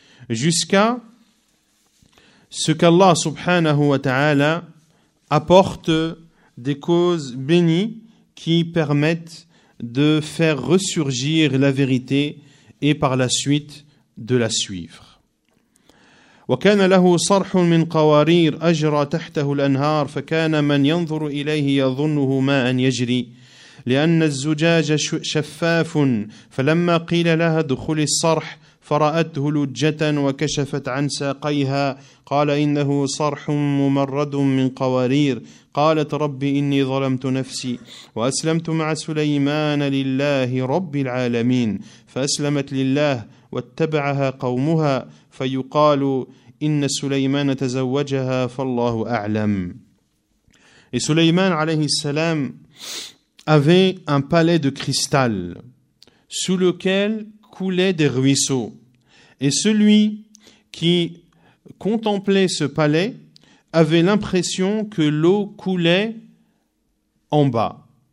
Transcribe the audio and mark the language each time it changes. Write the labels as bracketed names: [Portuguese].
[French] jusqu'à ce qu'Allah [Arabic] subhanahu wa ta'ala [French] apporte des causes bénies qui permettent de faire ressurgir la vérité et par la suite de la suivre. [Arabic] وكان له صرح من قوارير أجرى تحته الأنهار فكان من ينظر إليه يظنه ماء يجري لأن الزجاج شفاف فلما قيل لها ادخلي الصرح فرأته لجة وكشفت عن ساقيها قال إنه صرح ممرد من قوارير قالت ربي إني ظلمت نفسي وأسلمت مع سليمان لله رب العالمين فأسلمت لله واتبعها قومها فيقال إن سليمان تزوجها فالله أعلم. [French] Et سليمان [Arabic] عليه السلام [French] avait un palais de cristal sous lequel coulaient des ruisseaux. Et celui qui contemplait ce palais avait l'impression que l'eau coulait en bas.